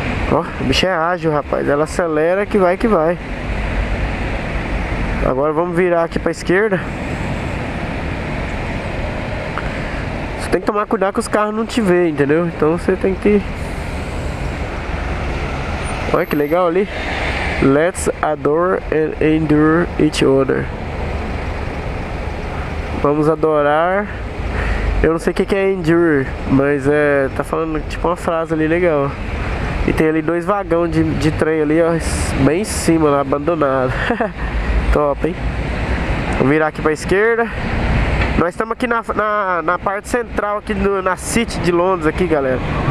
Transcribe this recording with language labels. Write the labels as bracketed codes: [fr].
[pt] Ó, o bicho é ágil, rapaz. Ela acelera que vai que vai. Agora vamos virar aqui pra esquerda. Você tem que tomar cuidado que os carros não te veem, entendeu? Então você tem que... Olha que legal ali. [en] Let's adore and endure each other. [pt] Vamos adorar. Eu não sei o que é endure, mas é, tá falando tipo uma frase ali legal. E tem ali dois vagões de trem ali, ó, bem em cima, lá, abandonado. Top, hein? Vou virar aqui pra esquerda. Nós estamos aqui na parte central aqui na City de Londres aqui, galera.